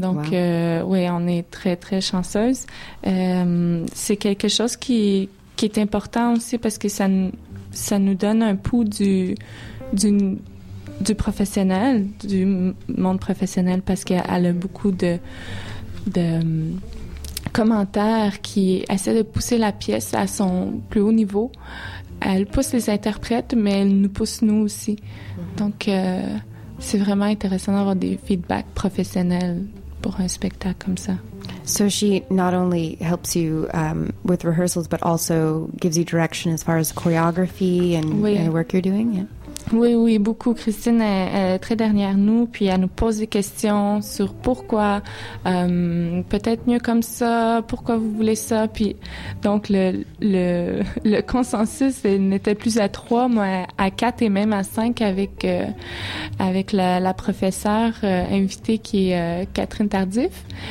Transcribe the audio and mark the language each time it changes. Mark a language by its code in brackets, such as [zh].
[fr] Donc, oui, on est très, très chanceuse. C'est quelque chose qui est important aussi parce que ça nous donne un pouls du professionnel, du monde professionnel, parce qu'elle a beaucoup de commentaires qui essaient de pousser la pièce à son plus haut niveau. Elle pousse les interprètes, mais elle nous pousse nous aussi. Mm-hmm. Donc, c'est vraiment intéressant d'avoir des feedbacks professionnels pour un spectacle comme ça. [en] So she not only helps you with rehearsals, but also gives you direction as far as choreography and the work you're doing? Yeah. [fr] Oui, oui, beaucoup. Christine est très derrière nous, puis elle nous pose des questions sur pourquoi, peut-être mieux comme ça, pourquoi vous voulez ça. Puis donc, le consensus n'était plus à trois, mais à quatre et même à cinq avec la professeure invitée qui est Catherine Tardif.